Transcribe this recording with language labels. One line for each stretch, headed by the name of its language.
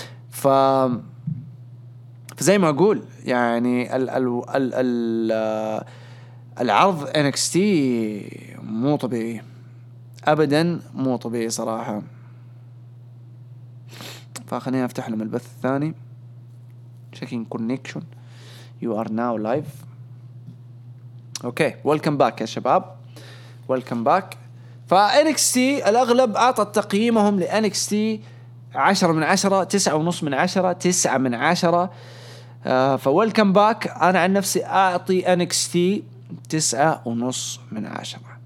Arabic: فزي ما أقول يعني ال ال ال, ال... العرض NXT مو طبيعي، ابدا مو طبيعي صراحه. فخليني افتح لهم البث الثاني.
English: checking connection you are now live.
Arabic: اوكي ويلكم باك يا شباب، ويلكم باك. ف NXT الاغلب اعطى تقييمهم ل NXT 10 من 10 9.5 من 10 9 من 10 ف ويلكم باك. انا عن نفسي اعطي NXT 9.5 من 10.